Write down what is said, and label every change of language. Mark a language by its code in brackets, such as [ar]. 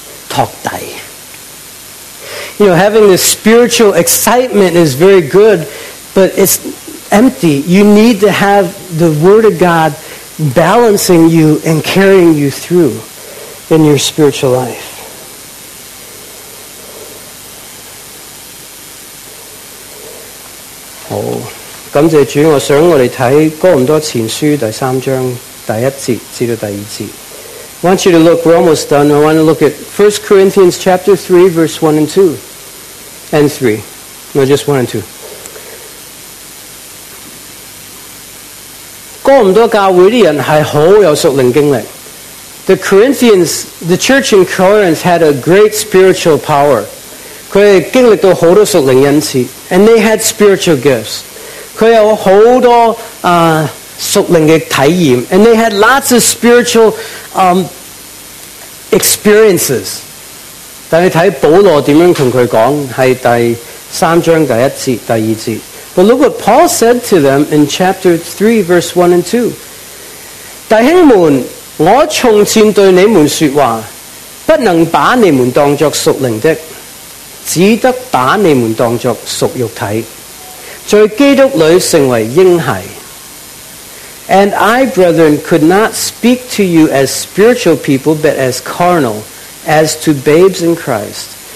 [zh] 因为单单有这个兴奋的属灵经历，是不够均衡。你需要神的话语托底。 [en] You know, having this spiritual excitement is very good, but it's empty. You need to have the Word of God balancing you and carrying you through in your spiritual life. [zh] Oh, 感谢主，我想我们看哥林多前书第三章第一节至到第二节。 [en] I want you to look, we're almost done. I want to look at 1 Corinthians chapter 3, verse 1 and 2. And 3. No, just 1 and 2. [zh] 哥林多教会的人是很有属灵经历。 [en] The Corinthians, the church in Corinth had a great spiritual power. [zh] 他们经历到很多属灵恩赐。 [en] And they had spiritual gifts. [zh] 他们有很多属灵的体验。 [en] And they had lots of spiritual experiences. [zh] 但你看保罗怎样跟他讲，是第三章第一节、第二节。 [en] But look what Paul said to them in chapter 3, verse 1 and 2. [zh] 弟兄们，我从前对你们说话，不能把你们当作属灵的，只得把你们当作属肉体，在基督里成为婴孩。 [en] And I, brethren, could not speak to you as spiritual people, but as carnal, as to babes in Christ.